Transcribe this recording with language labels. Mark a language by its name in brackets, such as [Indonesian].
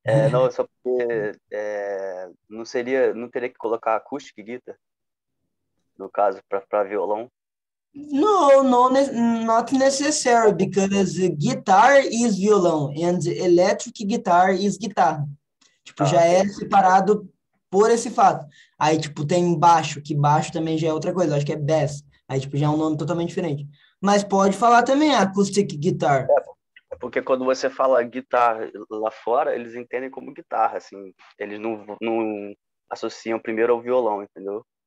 [Portuguese] Não, só porque não teria que colocar acústica e guitar, no caso, para violão. [English] No, not necessary, because guitar is violão, and electric guitar is guitar. [Portuguese] Tipo, já é separado por esse fato. Aí, tipo, tem baixo, que baixo também já é outra coisa, acho que é bass. Aí, tipo, já é um nome totalmente diferente. Mas pode falar também acoustic guitar. É porque quando você fala guitar lá fora, eles entendem como guitarra, assim. Eles não associam primeiro ao violão, entendeu?